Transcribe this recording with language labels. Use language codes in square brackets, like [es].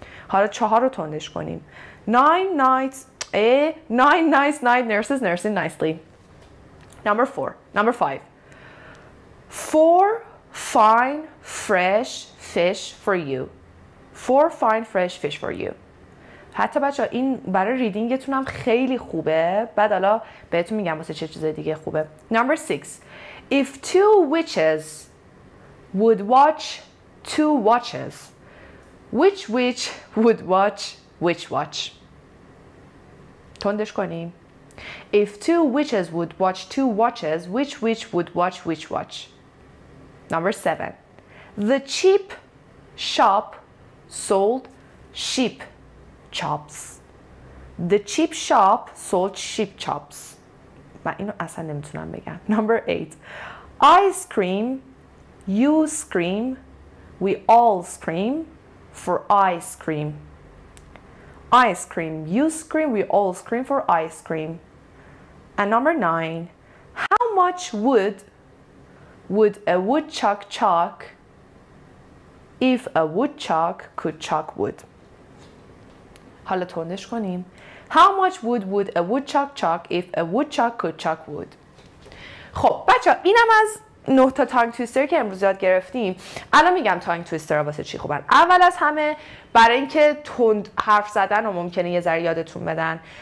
[fa] حالا 4 رو توندش کنیم. [en] 9 nice night nurses nursing nicely. Number 4. Number 5. 4 fine fresh fish for you. 4 fine fresh fish for you. [fa] حتی بچه ها این برای ریدینگتون هم خیلی خوبه، بعد حالا بهتون میگم واسه چه چیز دیگه خوبه. [en] Number 6. If two witches would watch two watches, which witch would watch which watch? [fa] تندش کنیم. [en] If two witches would watch two watches, which witch would watch which watch? Number 7. The cheap shop sold sheep chops. The cheap shop sold sheep chops. [fa] من اینو اصلا نمیتونم بگم. [en] Number 8. Ice cream, you scream, we all scream for ice cream. Ice cream, you scream, we all scream for ice cream. And number 9. How much would a woodchuck chuck if a woodchuck could chuck wood? [fa] حالا تندش کنیم. [en] How much wood would a woodchuck chuck if a woodchuck could chuck wood? [fa] خب بچه ها اینم از 9 تا تانگ تویستر که امروز یاد گرفتیم. الان میگم تانگ تویستر ها واسه چی خوبن. اول از همه برای اینکه تند حرف زدن و ممکنه یه ذره یادتون بدن.